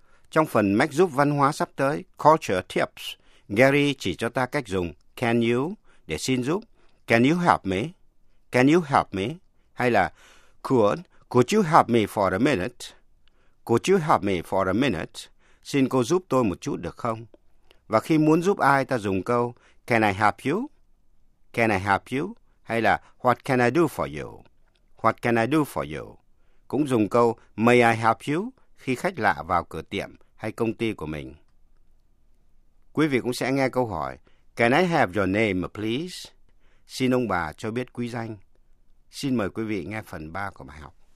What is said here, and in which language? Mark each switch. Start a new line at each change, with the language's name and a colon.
Vietnamese: Trong phần mách giúp văn hóa sắp tới, Culture Tips, Gary chỉ cho ta cách dùng can you để xin giúp.
English: Can you help me? Can you help me?
Vietnamese: Hay là
English: could you help me for a minute? Could you help me for a minute?
Vietnamese: Xin cô giúp tôi một chút được không? Và khi muốn giúp ai, ta dùng câu
English: can I help you? Can I help you?
Vietnamese: Hay là
English: what can I do for you? What can I do for you?
Vietnamese: Cũng dùng câu
English: may I help you?
Vietnamese: Khi khách lạ vào cửa tiệm hay công ty của mình. Quý vị cũng sẽ nghe câu hỏi,
English: Can I have your name, please?
Vietnamese: Xin ông bà cho biết quý danh. Xin mời quý vị nghe phần 3 của bài học.